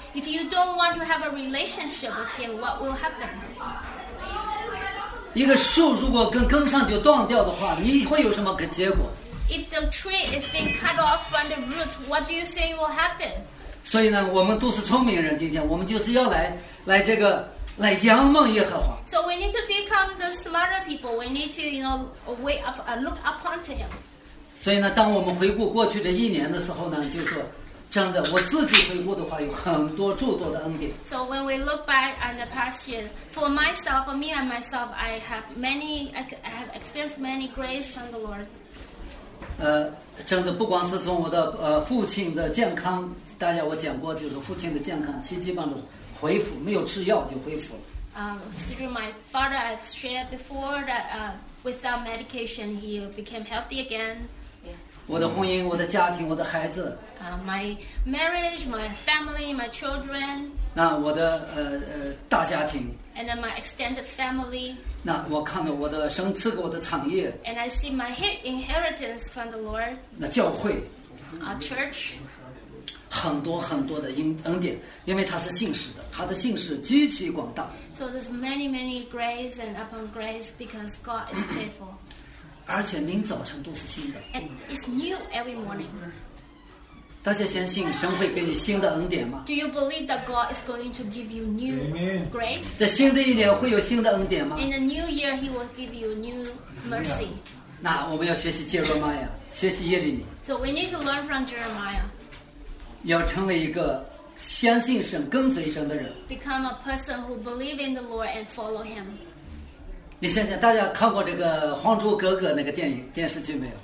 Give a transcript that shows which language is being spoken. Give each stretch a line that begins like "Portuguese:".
English: If you don't want to have a relationship with him, what will happen?
Chinese: 一个树如果跟根上就断掉的话，你会有什么结果
English: ？If the tree is being cut off from the root, what do you think will happen？
Chinese: 所以呢，我们都是聪明人，今天我们就是要来这个来仰望耶和华。
English: So we need to become the smarter people. We need to, you know, wait up, look up onto him.
Chinese: 所以呢，当我们回顾过去的一年的时候呢，就说。真的，我自己回顾的话，有很多诸多的恩典。
English: So when we look back on the past year, for me and myself, I have experienced many grace from the Lord.
Chinese: 真的，不光是从我的父亲的健康，大家我讲过，就是父亲的健康奇迹般的恢复，没有吃药就恢复了。
English: Through my father, I've shared before that without medication, he became healthy again.
Chinese: 我的婚姻，我的家庭，我的孩子。
English: My marriage, my family, my children.
Chinese: 那我的大家庭。
English: And then my extended family.
Chinese: 那我看到我的神赐给我的产业。
English: And I see my inheritance from the Lord.
Chinese: 那教会。
English: Our church.
Chinese: 很多很多的恩典，因为他是信实的，他的信实极其广大。
English: So there's many, many grace and upon grace because God is faithful.
Chinese: 而且明早晨都是新的。
English: And it's new every morning.
Chinese: 大家相信神会给你新的恩典吗
English: ？Do you believe that God is going to give you new grace?
Chinese: 在新的一年会有新的恩典吗
English: ？In the new year, He will give you new mercy.
Chinese: 那我们要学习耶利米，学习耶利米。
English: So we need to learn from Jeremiah.
Chinese: 要成为一个相信神、跟随神的人。
English: Become a person who believes in the Lord and follow Him.
Chinese: 你想想，大家看过这个《还珠格格》那个电影电视剧没有